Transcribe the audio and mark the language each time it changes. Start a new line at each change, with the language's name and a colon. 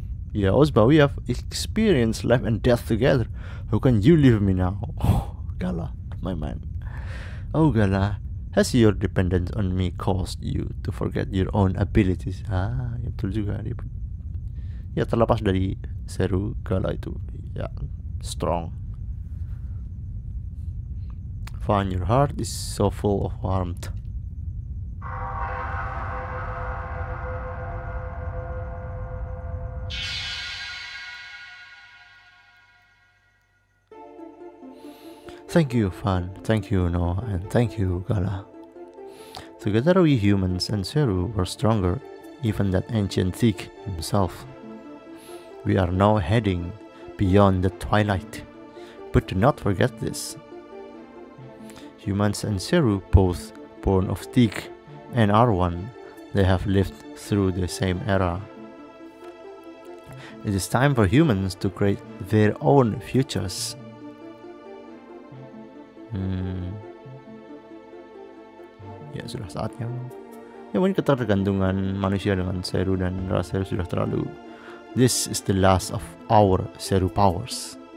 English: Ya Ozma, we have experienced life and death together. How can you leave me now? Gala, my man. Oh Gala, has your dependence on me caused you to forget your own abilities?
Indonesian: Ah, betul juga. Ya terlepas dari Seru, Gala itu ya strong.
English: Fun, your heart is so full of warmth. Thank you, Fan. Thank you, Noah. And thank you, Gala. Together we humans and Seru were stronger, even that ancient Thiek himself. We are now heading beyond the twilight, but do not forget this. Humans and Seru, both born of Thiek and are one, they have lived through the same era. It is time for humans to create their own futures.
Indonesian: Ya sudah saatnya. Ya mungkin ketergantungan manusia dengan Seru dan ras Seru sudah terlalu.
English: This is the last of our Seru powers.